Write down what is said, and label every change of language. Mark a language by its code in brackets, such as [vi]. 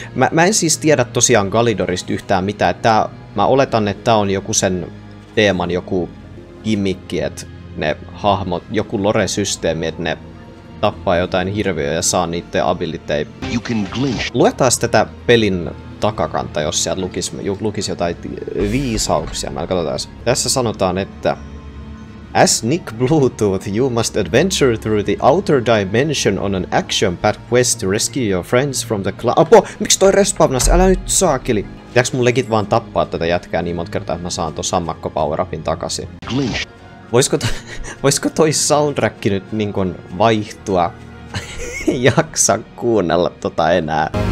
[fi] Mä en siis tiedä tosiaan Galidorista yhtään mitään. Mä oletan, että tää on joku sen teeman joku gimmikki, että ne hahmot, joku lore-systeemi, että ne tappaa jotain hirviöä ja saa niitten abilitei. [en] You can glinch. [fi] Luetaan tätä pelin takakanta, jos sieltä lukisi jotain viisauksia. Mä katsotaan. Tässä sanotaan, että... [en] As Nick Bluetooth, you must adventure through the outer dimension on an action-packed quest to rescue your friends from the cloud. [fi] Apua! Miksi toi respawnas? Älä nyt saakeli! Pitääks mun legit vaan tappaa tätä jätkää niin monta kertaa, että mä saan ton sammakko power-upin takasin? [en] Glinch! [fi] Voisko toi soundtrack nyt niinkun vaihtua? Jaksa kuunnella tota enää.